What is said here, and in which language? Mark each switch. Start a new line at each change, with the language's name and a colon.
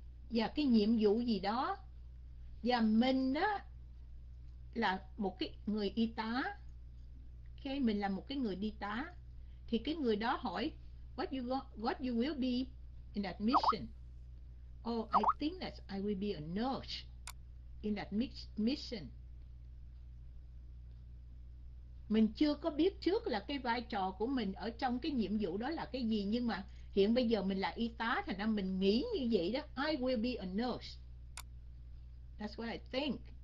Vietnamese: Và cái nhiệm vụ gì đó, và mình đó là một cái người y tá, okay? Mình là một cái người y tá, thì cái người đó hỏi
English: what you will be in that mission. Oh, I think that I will be a nurse in that mission.
Vietnamese: Mình chưa có biết trước là cái vai trò của mình ở trong cái nhiệm vụ đó là cái gì, nhưng mà hiện bây giờ mình là y tá, thành ra mình nghĩ như vậy đó.
English: I will be a nurse. That's what I think.